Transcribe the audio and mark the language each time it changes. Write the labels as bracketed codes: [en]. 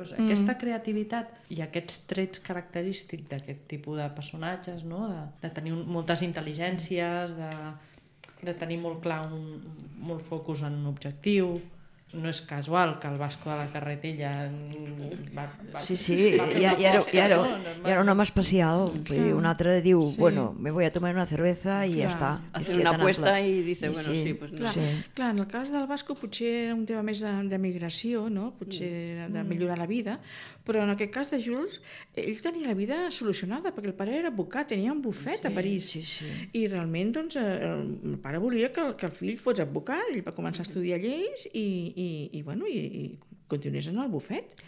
[ca] Aquesta creativitat i aquests trets característics d'aquest tipus de personatges, no? De tenir moltes intel·ligències, de tenir molt clar molt focus en un objectiu. No és casual que el Vasco de la Carretella va... Sí, sí, i era un home especial. Vull dir, un altre diu, sí, bueno, [es] me voy a tomar una cerveza [ca] i ja està. [es] Hacer una apuesta i dice, bueno, sí, sí, pues no. [ca] Clar, sí. Clar, en el cas del Vasco potser era un tema més de migració, no? Potser de millorar la vida, però en aquest cas de Jules, ell tenia la vida solucionada, perquè el pare era advocat, tenia un bufet, sí, a París. Sí, sí. I realment, doncs, el pare volia que el fill fos advocat, ell va començar a estudiar lleis i continués en el bufet.